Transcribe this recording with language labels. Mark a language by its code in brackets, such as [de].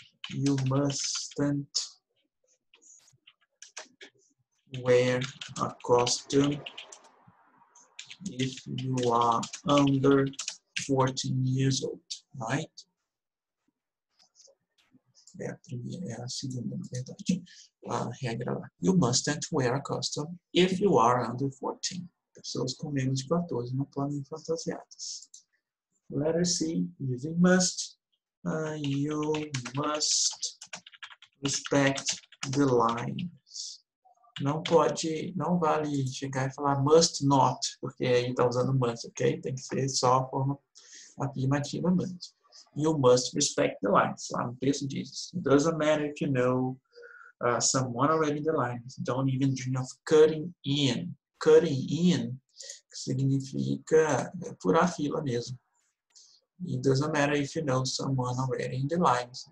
[en] You mustn't wear a costume if you are under 14 years old, right? [pt] É a segunda, na verdade, a regra lá. [en] You mustn't wear a costume if you are under 14. [pt] Pessoas com menos de 14 não podem fantasiadas. [en] Letter C, using must. You must respect the lines. [pt] Não pode, não vale chegar e falar must not, porque aí está usando must, ok? Tem que ser só a forma afirmativa must. [en] You must respect the lines. [pt] Lá no texto diz, [en] it doesn't matter if you know someone already in the lines. Don't even dream of cutting in. Cutting in [pt] significa furar a fila mesmo. [en] It doesn't matter if you know someone already in the lines.